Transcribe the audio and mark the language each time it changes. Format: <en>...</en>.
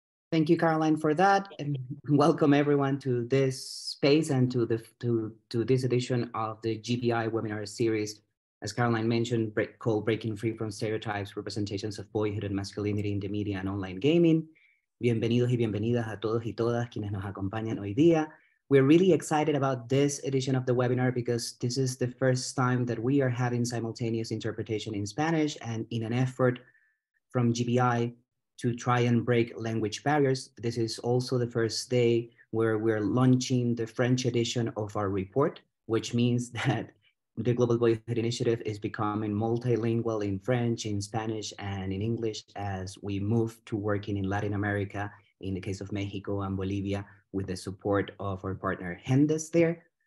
<en>Thank you, Caroline, for that. And welcome everyone to this space and to this edition of the GBI webinar series. As Caroline mentioned, called Breaking Free from Stereotypes, Representations of Boyhood and Masculinity in the Media and Online Gaming.</en> <es>Bienvenidos y bienvenidas a todos y todas quienes nos acompañan hoy día.</es> <en>We're really excited about this edition of the webinar because this is the first time that we are having simultaneous interpretation in Spanish, and in an effort from GBI to try and break language barriers. This is also the first day where we're launching the French edition of our report, which means that the Global Boyhood Initiative is becoming multilingual in French, in Spanish, and in English as we move to working in Latin America, in the case of Mexico and Bolivia, with the support of our partner Hendes there.</en>